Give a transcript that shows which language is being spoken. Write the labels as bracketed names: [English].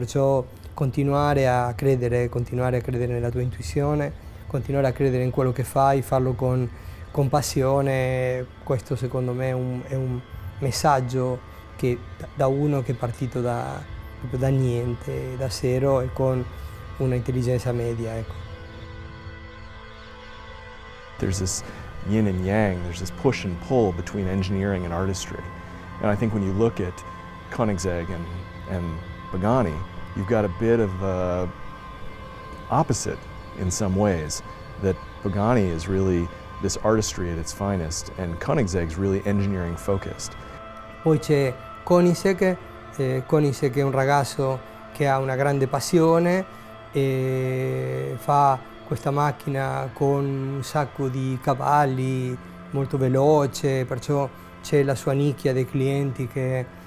[Italian] Perciò continuare a credere nella tua intuizione, continuare a credere in quello che fai, farlo con passione, questo secondo me è un messaggio che da uno che è partito da niente, da zero e con una intelligenza media, ecco. [English] There's this yin and yang, there's this push and pull between engineering and artistry. And I think when you look at Koenigsegg and Pagani, you've got a bit of a opposite in some ways, that Pagani is really this artistry at its finest, and Koenigsegg's really engineering focused. [Italian] Poi c'è Koenigsegg, Koenigsegg è un ragazzo che ha una grande passione e fa questa macchina con un sacco di cavalli, molto veloce, perciò c'è la sua nicchia dei clienti che